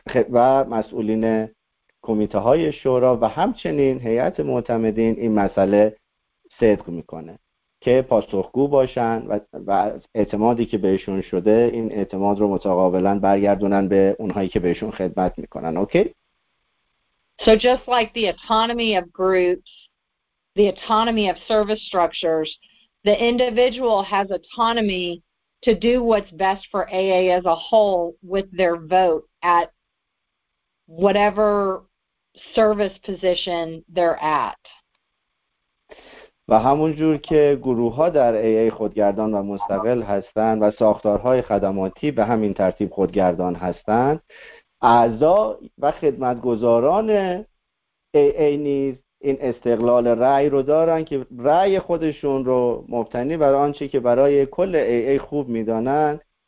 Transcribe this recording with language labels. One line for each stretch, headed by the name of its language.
Persian: و مسئولین کمیته های شورا و همچنین هیئت معتمدین این مسئله صدق میکنه که پاسخگو باشن و اعتمادی که بهشون شده این اعتماد رو متقابلا برگردونن به اونهایی که بهشون خدمت میکنن. اوکی؟
English: So just like the autonomy of groups, the autonomy of service structures, the individual has autonomy to do what's best for AA as a whole with their vote at whatever service position they're at.
Persian: و همون جور که گروه ها در AA خودگردان و مستقل هستن و ساختارهای خدماتی به همین ترتیب خودگردان هستن، اعضا و خدمتگزاران AA نیز این استقلال رأی رو دارن که رأی خودشون رو مبتنی بر آنچه که برای کل AA خوب میدانن